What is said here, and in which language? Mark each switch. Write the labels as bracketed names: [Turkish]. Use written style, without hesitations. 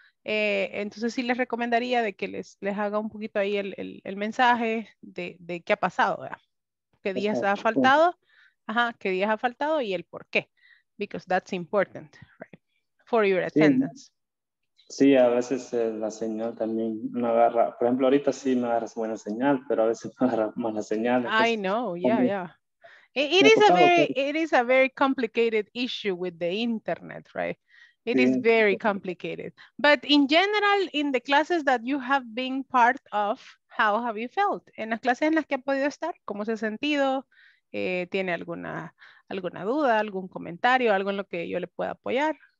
[Spanish] Entonces sí les recomendaría de que les haga un poquito ahí el mensaje de qué ha pasado, ¿verdad? ¿Qué días ha faltado? Ajá, ¿qué días ha faltado y el por qué? [English] Because that's important, right? For your attendance. [Spanish] Sí, a veces la señal también me agarra. Por ejemplo, ahorita sí me agarra buena señal, pero a veces me agarra mala señal. [English] I know, It is a very, it is a very complicated issue with the internet, right? It is very complicated. But in general, in the classes that you have been part of, how have you felt? [Spanish] ¿En las clases en las que ha podido estar? ¿Cómo se ha sentido? ¿Tiene alguna duda, algún comentario, algo en lo que yo le pueda apoyar?